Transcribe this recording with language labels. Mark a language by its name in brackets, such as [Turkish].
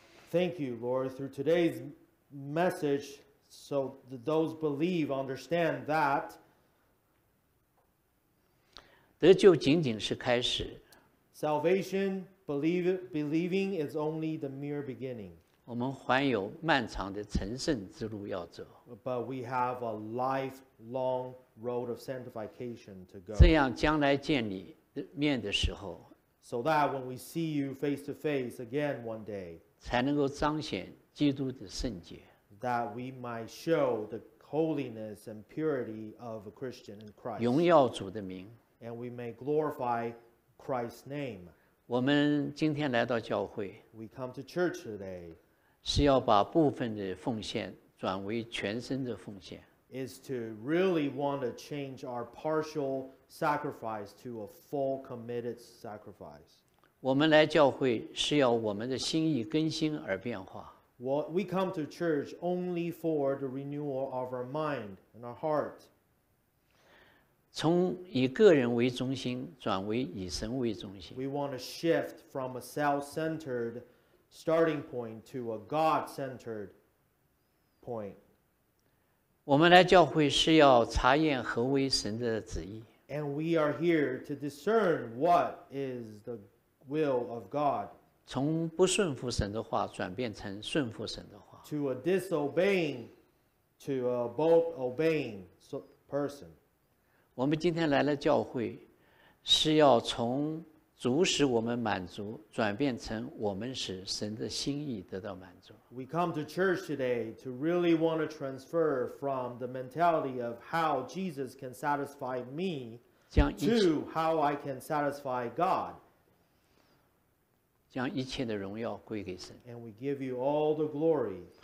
[English] Thank you, Lord, through today's message, so that those believe understand that. [Chinese] 得救仅仅是开始。 [English] Salvation, believing is only the mere beginning. [Chinese] 我们还有漫长的成圣之路要走。 [English] But we have a lifelong road of sanctification to go. [Chinese] 这样将来见你面的时候。 [English] So that when we see you face to face again one day, [Chinese] 才能够彰显基督的圣洁。 [English] That we might show the holiness and purity of a Christian in Christ. [Chinese] 荣耀主的名。 [English] And we may glorify Christ's name. [Chinese] 我们今天来到教会， [English] we come to church today. [Chinese] 是要把部分的奉献转为全身的奉献。 [English] Is to really want to change our partial sacrifice to a full committed sacrifice. [Chinese] 我们来教会是要我们的心意更新而变化。 [English] We come to church only for the renewal of our mind and our heart. [Chinese] 从以个人为中心转为以神为中心。 [English] We want to shift from a self-centered starting point to a God-centered point. [Chinese] 我们来教会是要查验何为神的旨意。 [English] And we are here to discern what is the will of God. [Chinese] 从不顺服神的话转变成顺服神的话。 [English] To a disobeying, to a bold obeying person. [Chinese] 我们今天来了教会，是要从主使我们满足，转变成我们使神的心意得到满足。 [English] We come to church today to really want to transfer from the mentality of how Jesus can satisfy me to how I can satisfy God. [Chinese] 将一切的荣耀归给神。 [English] And we give you all the glory.